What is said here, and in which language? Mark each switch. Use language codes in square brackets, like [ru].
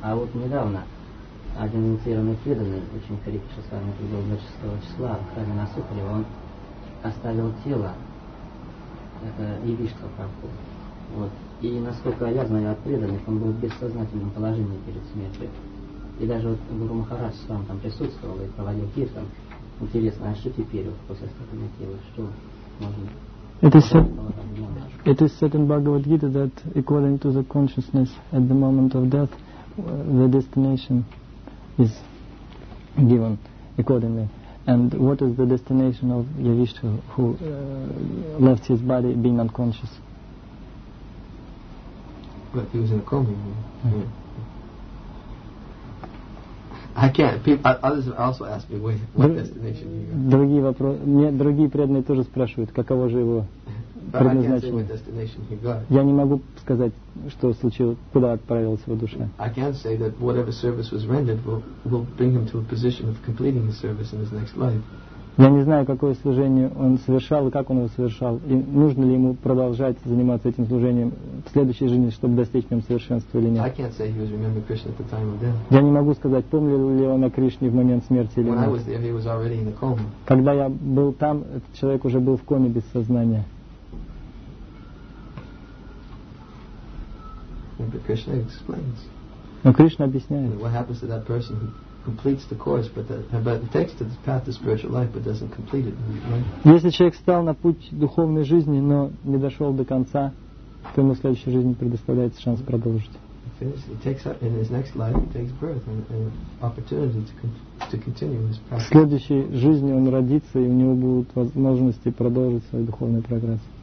[ru] А вот недавно один инициированный преданный, очень крепкий, с вами был 26 числа, в храме на Сукре, он оставил тело, это Ивишка Прабху. Вот. И насколько я знаю от преданных, он был в бессознательном положении перед смертью. И даже вот Гуру Махарадж сам там присутствовал и проводил киртан. Интересно, а что теперь вот после оставления тела? Что можно? [en] It is said in Bhagavad Gita that according to the consciousness at the moment of death, the destination is given accordingly. And what is the destination of Yavishtha who left his body being unconscious? But he was in a coma. Yeah. I can't. Others have also asked me what destination he got. [ru] Другие вопросы. Нет, другие преданные тоже спрашивают, каково же его предназначение. [en] But I can't say what destination he got. [ru] Я не могу сказать, что случилось, куда отправилась его душа. [en] I can't say that whatever service was rendered will bring him to a position of completing the service in his next life. [ru] Я не знаю, какое служение он совершал и как он его совершал, и нужно ли ему продолжать заниматься этим служением в следующей жизни, чтобы достичь в нем совершенства или нет. [en] I can't say he was remembering Krishna at the time of death. [ru] Я не могу сказать, помнил ли он о Кришне в момент смерти или [en] when [ru] нет. [en] I was there, he was already in the coma. [ru] Когда я был там, этот человек уже был в коме без сознания. [en] But Krishna explains. [ru] Но Кришна объясняет. [en] What happens to that person who completes the course, but takes the path to spiritual life, but doesn't complete it? Right? [ru] Если человек встал на путь духовной жизни, но не дошел до конца, то ему в следующей жизни предоставляется шанс продолжить. [en] In his next life, he takes birth and opportunity to continue his path. [ru] В следующей жизни он родится, и у него будут возможности продолжить свой духовный прогресс.